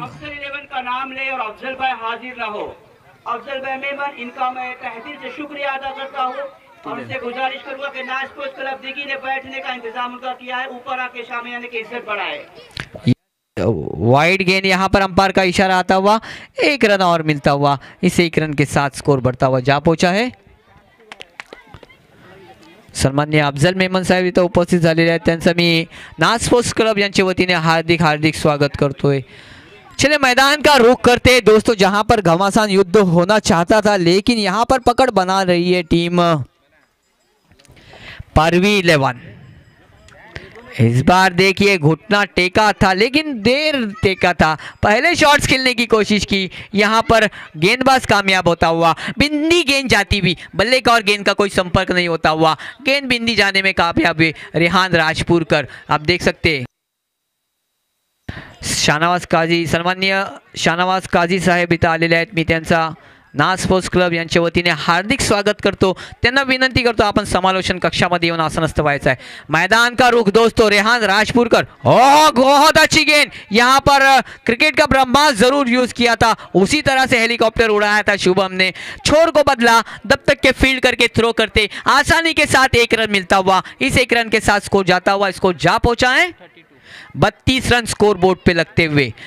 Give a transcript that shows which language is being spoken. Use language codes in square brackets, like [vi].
[hi] अफजल 11 का नाम ले और अफजल भाई हाजिर रहो, अफजल भाई मेमन, इनका मैं तहदिल से शुक्रिया अदा करता हूँ और इनसे गुजारिश करूंगा कि नाइस स्पोर्ट्स क्लब दिगी ने बैठने का इंतजाम उनका किया है, ऊपर आके शामियाने के इज्जत बढ़ाए। वाइड गेंद, यहां पर अंपायर का इशारा आता हुआ, 1 रन और मिलता हुआ, इस 1 रन के साथ स्कोर बढ़ता हुआ जा पहुंचा है। [mr] सन्मान्य अफजल मेमन साहब इथं उपस्थित झालेले आहेत, त्यांचं मी नाथ स्पोर्ट्स क्लब यांच्या वतीने हार्दिक स्वागत करतोय। [hi] चले मैदान का रुख करते दोस्तों, जहां पर घमासान युद्ध होना चाहता था लेकिन यहां पर पकड़ बना रही है टीम परवी 11। इस बार देखिए घुटना टेका था लेकिन देर टेका था, पहले शॉट्स खेलने की कोशिश की, यहाँ पर गेंदबाज कामयाब होता हुआ, बिंदी गेंद जाती हुई, बल्ले का और गेंद का कोई संपर्क नहीं होता हुआ, गेंद बिंदी जाने में कामयाब हुई रेहान राजपुरकर। [mr] आप देख सकते हैं शाहनवाज काजी, सन्माननीय शाहनवाज काजी साहेब इथं आलेले आहेत, मी त्यांचा नाथ स्पोर्ट्स क्लब यांच्या वतीने हार्दिक स्वागत करतो, त्यांना विनंती करतो आपण समालोचन कक्षामध्ये येऊन आसनस्थ व्हायचं आहे। [hi] मैदान का रुख दोस्तों, रेहान राजपुरकर, बहुत अच्छी गेंद, यहां पर क्रिकेट का ब्रह्मास्त्र जरूर यूज किया था, उसी तरह से हेलीकॉप्टर उड़ाया था शुभम ने, छोर को बदला, दब तक के फील्ड करके थ्रो करते आसानी के साथ 1 रन मिलता हुआ, इस 1 रन के साथ स्कोर जाता हुआ, इसको जा पहुंचा है 32 रन स्कोर बोर्ड पे लगते हुए।